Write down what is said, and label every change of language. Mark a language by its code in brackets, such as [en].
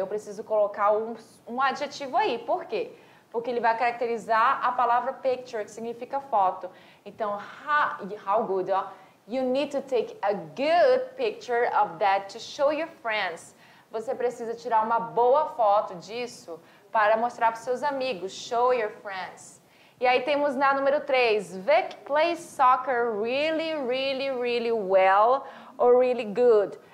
[pt] Aí eu preciso colocar um adjetivo aí. Por quê? Porque ele vai caracterizar a palavra picture, que significa foto. Então, [en] how good, [pt] ó. [en] You need to take a good picture of that to show your friends. [pt] Você precisa tirar uma boa foto disso para mostrar para os seus amigos. [en] Show your friends. [pt] E aí temos na número 3. [en] Vic plays soccer really, really, really well or really good.